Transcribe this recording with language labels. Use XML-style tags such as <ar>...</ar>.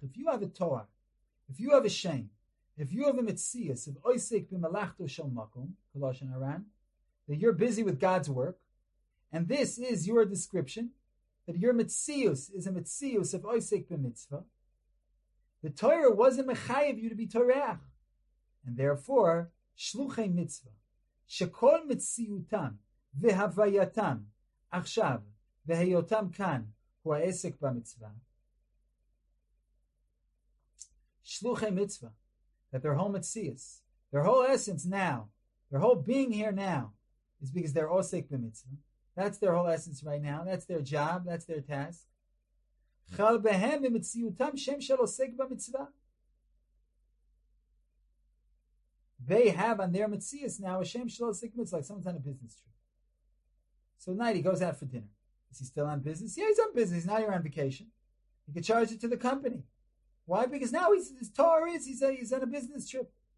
<en>If you have a toar, if you have a shame, if you have a mitzias, if osek b'melachto shel makom, Kolashan Aran, that you're busy with God's work, and this is your description, that your mitzius is a mitzius of osek b'mitzvah, the Torah wasn't mechayev you to be toreach, and therefore, shluchei mitzvah,</en> <he>שכל מציאותם והווייתם עכשיו והיותם כאן הוא העסק במצווה.</he> <en>שלוחי מצווה, that their whole mitzvah, their whole essence now, their whole being here now, is because they're עוסק במצווה. That's their whole essence right now, that's their job, that's their task.</en> <he>חל בהם במציאותם שם של עוסק במצווה.</he> <en>They have on their mitzias now a shem shalom sik mitzvah, like someone's on a business trip. So at night he goes out for dinner. Is he still on business? Yeah, he's on business. Now you're on vacation. He can charge it to the company. Why? Because now he's on a business trip.</en>